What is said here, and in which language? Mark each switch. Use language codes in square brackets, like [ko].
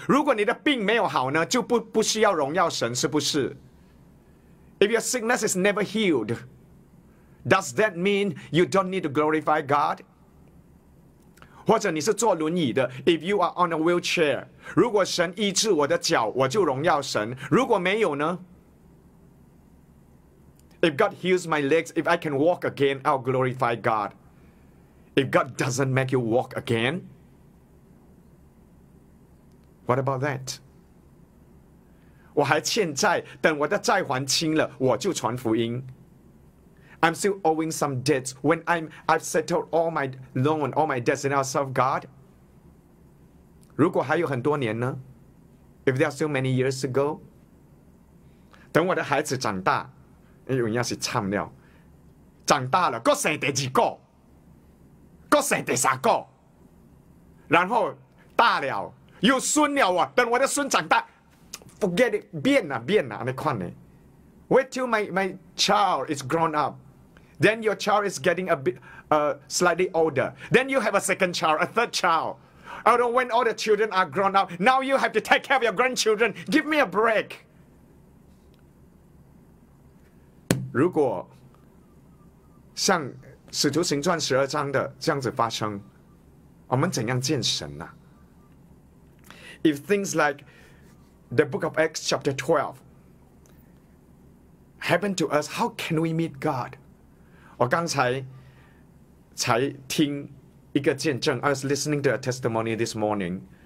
[zh] 如果你的病没有好呢，就不需要荣耀神，是不是？ [en] If your sickness is never healed,Does that mean you don't need to glorify God? [zh] 或者你是坐轮椅的 , [en] if you are on a wheelchair, [zh] 如果神医治我的脚,我就荣耀神,如果没有呢? [en] If God heals my legs, if I can walk again, I'll glorify God. If God doesn't make you walk again, What about that? [zh] 我还欠债，等我的债还清了，我就传福音。 [en] I'm still owing some debts. When I've settled all my loan, all my debts, and I'll serve God. [zh] 如果还有很多年呢？ [en] If there are still many years to go. [zh] 等我的孩子长大，因为要是唱了，长大了，再生第二个，再生第三个，然后大了，有孙了啊，等我的孙长大。 [en] Forget it, [zh] 变了，变了，你看呢？ [en] Wait till my child is grown up. Then your child is getting a bit, slightly older. Then you have a second child, a third child. Although when all the children are grown up, now you have to take care of your grandchildren. Give me a break. [zh] 如果像《使徒行传》十二章的这样子发生，我们怎样见神呢？ [en] If things like the book of Acts chapter 12 happened to us, how can we meet God? [zh] 我刚才才听一个见证， [en] I was listening to a testimony this morning.